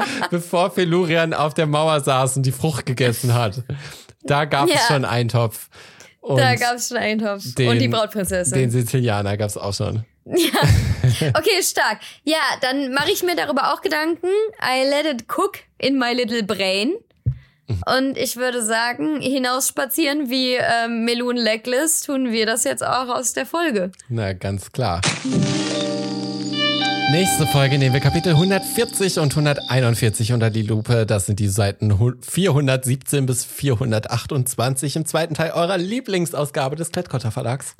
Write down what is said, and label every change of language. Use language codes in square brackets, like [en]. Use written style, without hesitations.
[de] Bevor Felurian auf der Mauer saß und die Frucht gegessen hat. Da gab es schon einen Topf. Und da gab es schon einen Topf. Den, und die Brautprinzessin. Den Sizilianer gab es auch schon. Ja, okay, stark. Ja, dann mache ich mir darüber auch Gedanken. [en] I let it cook in my little brain. [de] Und ich würde sagen, hinausspazieren wie Melun Legless, tun wir das jetzt auch aus der Folge. Na, ganz klar. Nächste Folge nehmen wir Kapitel 140 und 141 unter die Lupe. Das sind die Seiten 417 bis 428 im zweiten Teil eurer Lieblingsausgabe des Klettkotter Verlags.